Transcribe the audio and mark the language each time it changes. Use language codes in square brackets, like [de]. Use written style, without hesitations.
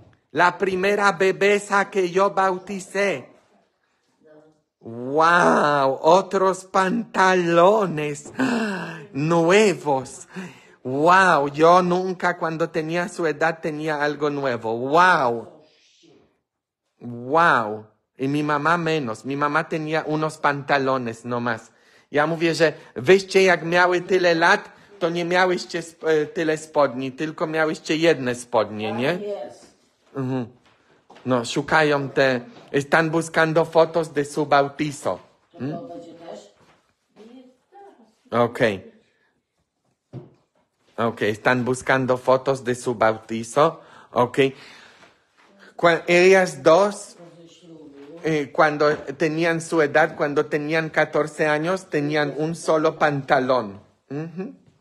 [es] La primera bebesa que yo bauticé. Wow, otros pantalones nuevos. Wow, yo nunca cuando tenía su edad tenía algo nuevo. Wow. Wow. Y mi mamá menos. Mi mamá tenía unos pantalones nomás. [pl] Ja mówię, że wyście jak miały tyle lat, to nie miałyście tyle spodni, tylko miałyście jedne spodnie, nie? Mhm. No, szukają te... [es] Están buscando fotos de su bautizo. Hmm? Okay. Okay, están buscando fotos de su bautizo. Okay. Ellas dos, cuando tenían su edad, cuando tenían 14 años, tenían un solo pantalón. Mm-hmm.